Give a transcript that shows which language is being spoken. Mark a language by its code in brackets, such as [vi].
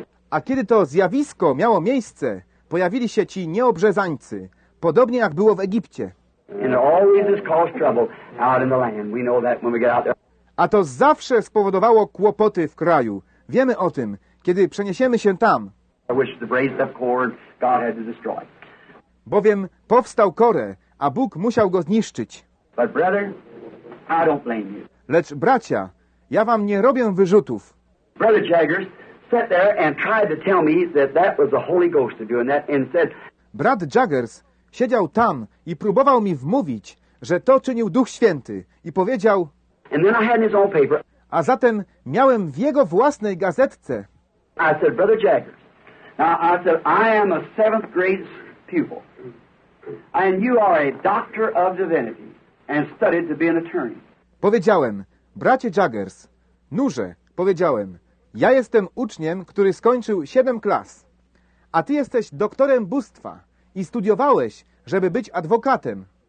[pl] A kiedy to zjawisko miało miejsce, pojawili się ci nieobrzezańcy, podobnie jak było w Egipcie. [en] And it always has caused trouble out in the land. We know that when we get out there. [pl] A to zawsze spowodowało kłopoty w kraju. Wiemy o tym, kiedy przeniesiemy się tam. [en] I wish the raised up cord God had to destroy. [pl] Bowiem powstał Korę, a Bóg musiał go zniszczyć. [en] But brother, I don't blame you. [pl] Lecz bracia, ja wam nie robię wyrzutów. [en] Brother Jaggers sat there and tried to tell me that that was the Holy Ghost doing that and said. [pl] Brat Jaggers siedział tam i próbował mi wmówić, że to czynił Duch Święty i powiedział. [en] And then I had his own paper. [pl] A zatem miałem w jego własnej gazetce. [en] I said, Brother Jaggers, now I said, I am a seventh grade pupil. And you are a doctor of divinity and studied to be an attorney. [pl] Powiedziałem, bracie Jaggers, nurze, powiedziałem, ja jestem uczniem, który skończył 7 klas, a ty jesteś doktorem bóstwa. I studiowałeś, żeby być adwokatem.